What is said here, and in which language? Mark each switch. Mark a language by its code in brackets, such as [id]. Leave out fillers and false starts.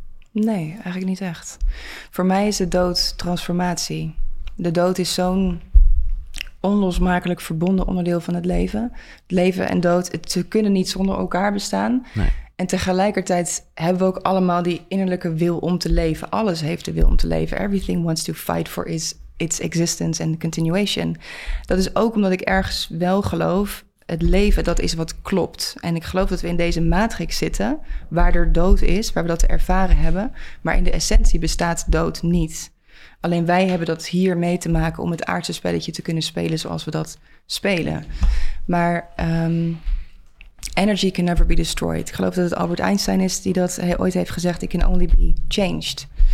[nl] Nee, eigenlijk niet echt. Voor mij is de dood transformatie. De dood is zo'n onlosmakelijk verbonden onderdeel van het leven. Leven en dood, ze kunnen niet zonder elkaar bestaan. Nee. En tegelijkertijd hebben we ook allemaal die innerlijke wil om te leven. Alles heeft de wil om te leven. [en] Everything wants to fight for its existence and continuation. [nl] Dat is ook omdat ik ergens wel geloof... Het leven, dat is wat klopt. En ik geloof dat we in deze matrix zitten... waar er dood is, waar we dat ervaren hebben. Maar in de essentie bestaat dood niet. Alleen wij hebben dat hier mee te maken... om het aardse spelletje te kunnen spelen zoals we dat spelen. [en] Maar energy can never be destroyed. [nl] Ik geloof dat het Albert Einstein is die dat ooit heeft gezegd... [en] It can only be changed.